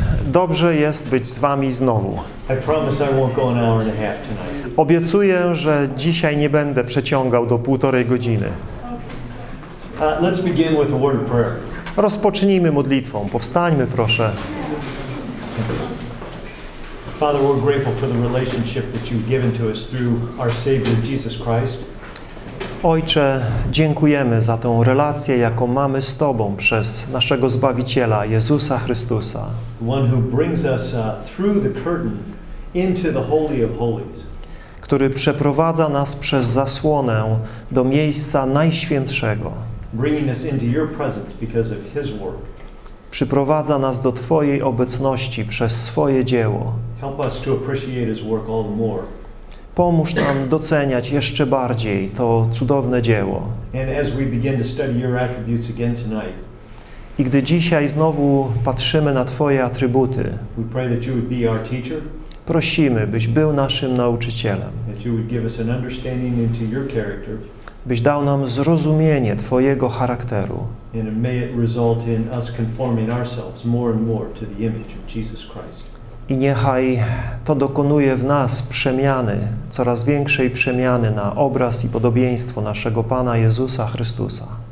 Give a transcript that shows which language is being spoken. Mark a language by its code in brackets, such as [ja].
[pl] Dobrze jest być z wami znowu. [en] I promise I won't go an hour and a half tonight. [pl] Obiecuję, że dzisiaj nie będę przeciągał do półtorej godziny. [en] Let's begin with a word of prayer. [pl] Rozpocznijmy modlitwą. Powstańmy, proszę. [en] Father, we're grateful for the relationship that you've given to us through our Savior Jesus Christ. [pl] Ojcze, dziękujemy za tę relację, jaką mamy z Tobą przez naszego Zbawiciela, Jezusa Chrystusa. [en] One who brings us through the curtain into the Holy of Holies. [pl] Który przeprowadza nas przez zasłonę do miejsca Najświętszego. [en] Bringing us into your presence because of his work. [pl] Przyprowadza nas do Twojej obecności przez swoje dzieło. [en] Help us to appreciate his work all the more. [pl] Pomóż nam doceniać jeszcze bardziej to cudowne dzieło. [en] And as we begin to study your attributes again tonight, [pl] i gdy dzisiaj znowu patrzymy na Twoje atrybuty, [en] we pray that you would be our teacher, [pl] prosimy, byś był naszym nauczycielem. [en] That you would give us an understanding into your character, [pl] byś dał nam zrozumienie Twojego charakteru. [en] And may it result in us conforming ourselves more and more to the image of Jesus Christ. [pl] I niechaj to dokonuje w nas przemiany, coraz większej przemiany na obraz i podobieństwo naszego Pana Jezusa Chrystusa.